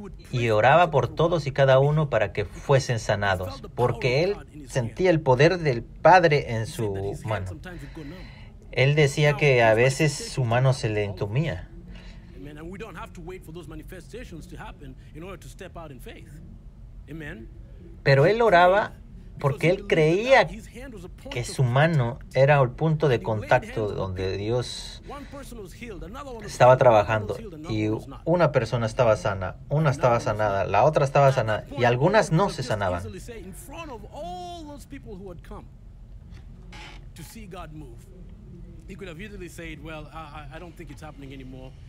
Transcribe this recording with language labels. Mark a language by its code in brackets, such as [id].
[es] y oraba por todos y cada uno para que fuesen sanados, porque él sentía el poder del Padre en su mano. Él decía que a veces su mano se le entumía. [en] We don't have to wait for those manifestations to happen in order to step out in faith. Amen. [es] Pero él oraba porque él creía que su mano era el punto de contacto donde Dios estaba trabajando, y una persona estaba sana, una estaba sanada, la otra estaba sana y algunas no se sanaban. [en] In front of all those people who had come to see God move, he could have easily said, well, I don't think it's happening anymore.